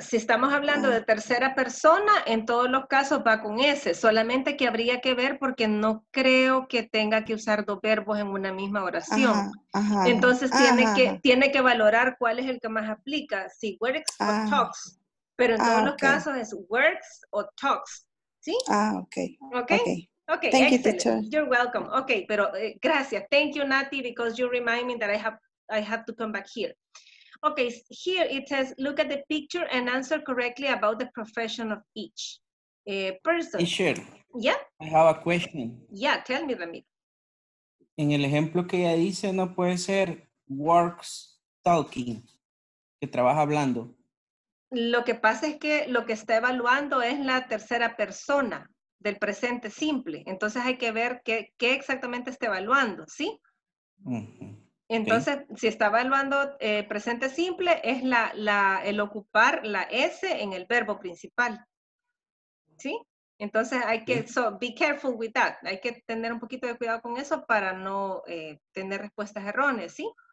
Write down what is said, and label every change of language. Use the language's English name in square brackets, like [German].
[Spanish] Si estamos hablando de tercera persona, en todos los casos va con S, solamente que habría que ver porque no creo que tenga que usar dos verbos en una misma oración. Entonces tiene que valorar cuál es el que más aplica, si works o talks. Pero en todos los casos es works o talks, ¿sí? [English] Okay, thank you, teacher. You're welcome. Okay, [Spanish] pero gracias. [English] Thank you, Nati, because you remind me that I have to come back here. Okay, here it says, look at the picture and answer correctly about the profession of each person. Teacher. Yeah? I have a question. Yeah, tell me, Ramir. [Spanish] En el ejemplo que ella dice, no puede ser works talking, que trabaja hablando. Lo que pasa es que lo que está evaluando es la tercera persona. Del presente simple. Entonces hay que ver qué exactamente está evaluando, ¿sí? Uh-huh. Entonces, okay. Si está evaluando presente simple, es el ocupar la S en el verbo principal. ¿Sí? Entonces hay que, [English] uh-huh. So be careful with that. [Spanish] Hay que tener un poquito de cuidado con eso para no tener respuestas erróneas, ¿sí?